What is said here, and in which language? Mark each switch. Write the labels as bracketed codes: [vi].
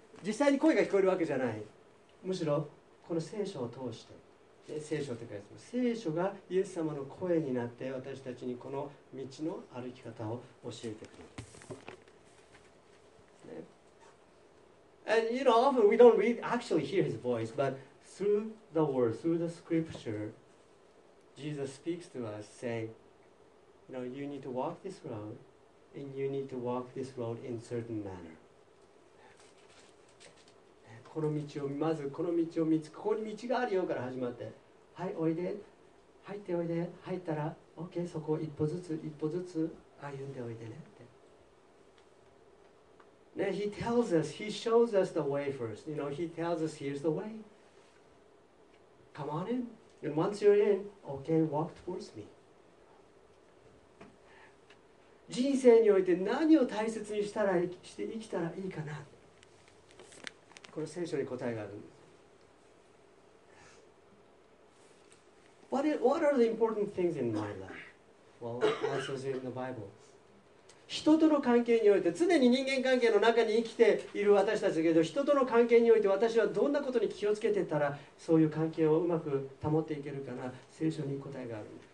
[ja] 実際に声が聞こえるわけじゃない。むしろ、この聖書を通して、ね、聖書って書いてあります。聖書がイエス様の声になって、私たちにこの道の歩き方を教えてくれる。 [en] ね、And you know, often we don't read, actually hear his voice, but through the word, through the scripture,Jesus speaks to us saying, you know, you need to walk this road and you need to walk this road in certain manner. [ja] この道を、まずこの道を見つ、ここに道があるよから始まって、はい、おいで、入っておいで、入ったら、OK、そこを一歩ずつ、一歩ずつ歩んでおいでねって。 [en] Now, he tells us, he shows us the way first. You know, he tells us, here's the way. Come on in. And once you're in, okay, walk towards me. [ja] 人生において何を大切にしたら、して生きたらいいかな。この聖書に答えがあるんです。 [en] What are the important things in my life? Well, answers in the Bible. [ja] 人との関係において、常に人間関係の中に生きている私たちだけど、人との関係において私はどんなことに気をつけていったら、そういう関係をうまく保っていけるかな、聖書に答えがある。